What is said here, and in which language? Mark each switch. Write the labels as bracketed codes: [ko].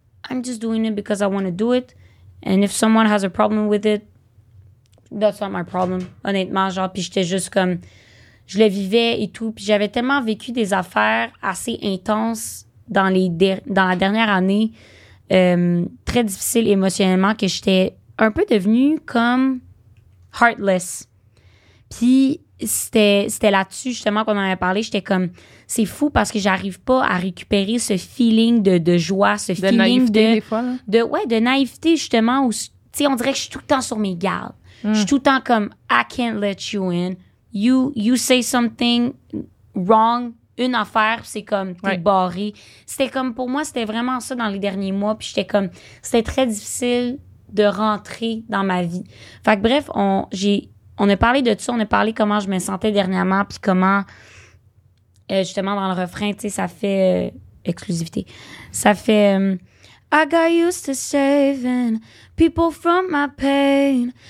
[en] I'm just doing it because I want to do it. And if someone has a problem with it, that's not my problem. [fr] Honnêtement, genre, puis j'étais juste comme... Je le vivais et tout. Puis j'avais tellement vécu des affaires assez intenses dans la dernière année, très difficile émotionnellement, que j'étais un peu devenue comme heartless. Puis c'était là-dessus, justement, qu'on en avait parlé. J'étais comme... C'est fou parce que j'arrive pas à récupérer ce feeling de joie, ce feeling de naïveté, justement, où, tu sais, on dirait que je suis tout le temps sur mes gardes. Je suis tout le temps comme, I can't let you in. You say something wrong, une affaire, c'est comme, t'es barré. C'était comme, pour moi, c'était vraiment ça dans les derniers mois. Puis j'étais comme, c'était très difficile de rentrer dans ma vie. Fait que bref, on a parlé de ça, on a parlé comment je me sentais dernièrement, puis comment, justement, dans le refrain, tu sais, ça fait exclusivité. Ça fait. [en] I got used to saving people from my pain.